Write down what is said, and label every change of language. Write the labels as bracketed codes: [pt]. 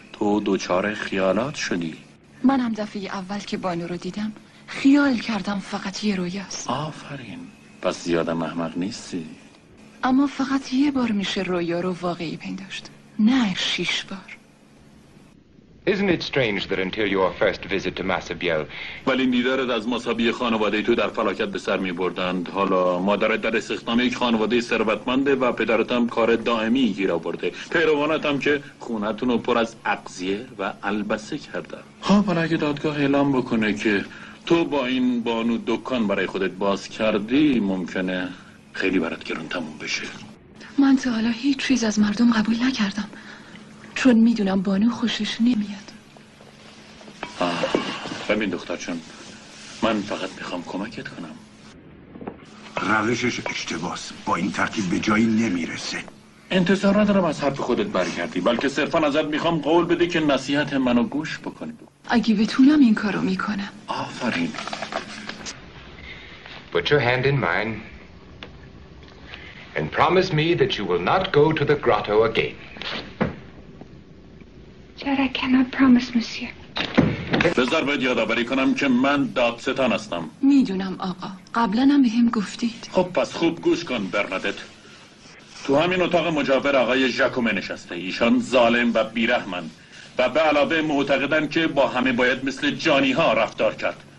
[fa] تو دوچار خیالات شدی. من هم دفعه اول که بانو رو دیدم خیال کردم فقط یه رویاست. آفرین، پس زیادم احمق نیستی. اما فقط یه بار میشه رویا رو واقعی پنداشت، نه شیش بار. [en] Isn't it strange that until your first visit to Massabielle... [fa] ولی دیدارت از مصابیه خانواده تو در فلاکت به سر می بردند. حالا مادرت در استخدام یک خانواده ثروتمنده و پدرت هم کار دائمی گیر آورده. پیروانت هم که خونتون رو پر از اقضیه و البسه کردن. خب حالا اگه دادگاه اعلام بکنه که تو با این بانو دکان برای خودت باز کردی، ممکنه خیلی برات گران تموم بشه. من تا حالا هیچ چیز از مردم قبول نکردم، چون میدونم بانو خوشش نمیاد. ببین دختر چون، من فقط میخوام کمکت کنم. روشش اشتباس، با این ترکیب به جایی نمیرسه. انتظار ندارم از حرف خودت برگردی، بلکه صرفا ازت میخوام قول بده که نصیحت منو گوش بکنی. اگه بتونم این کارو میکنم. آفرین. [en] Put your hand in mine and promise me that you will not go to the grotto again. [fa] بذار باید یادآوری کنم که من دادستان هستم. میدونم آقا، قبلنم به هم گفتید. خب پس خوب گوش کن برنادت. تو همین اتاق مجاور آقای ژاکومه نشسته. ایشان ظالم و بیرحمن و به علاوه معتقدن که با همه باید مثل جانی ها رفتار کرد.